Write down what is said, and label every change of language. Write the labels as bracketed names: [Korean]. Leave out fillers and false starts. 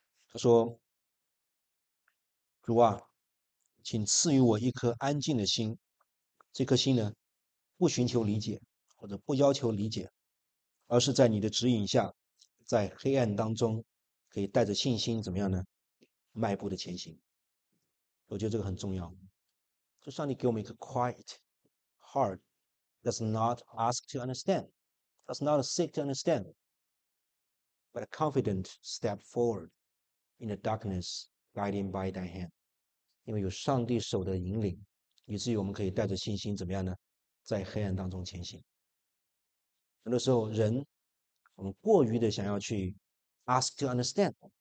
[Chinese] 他说：“主啊，请赐予我一颗安静的心，这颗心呢，不寻求理解，或者不要求理解，而是在你的指引下，在黑暗当中，可以带着信心，怎么样呢？迈步的前行。我觉得这个很重要。就上帝给我们一颗 [English] quiet heart。” Does not ask to understand, does not seek to understand, but a confident step forward in the darkness, guided by thy hand. [Chinese] 因为有上帝手的引领，以至于我们可以带着信心，怎么样呢？在黑暗当中前行。很多时候，人我们过于的想要去 [English] ask to understand。